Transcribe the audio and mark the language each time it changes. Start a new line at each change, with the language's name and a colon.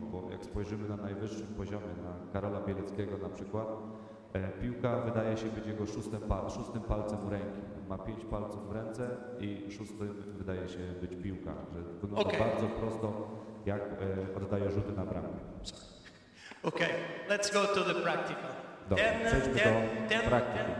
Polish: Bo jak spojrzymy na najwyższym poziomie, na Karola Bieleckiego na przykład, piłka wydaje się być jego szóstym palcem ręki. Ma pięć palców w ręce i szóstym wydaje się być piłka. Że wygląda okay. Bardzo prosto, jak oddaje rzuty na bramkę.
English: Okay, let's go to the practical.
Polish: Dobra, przejdźmy do praktyki.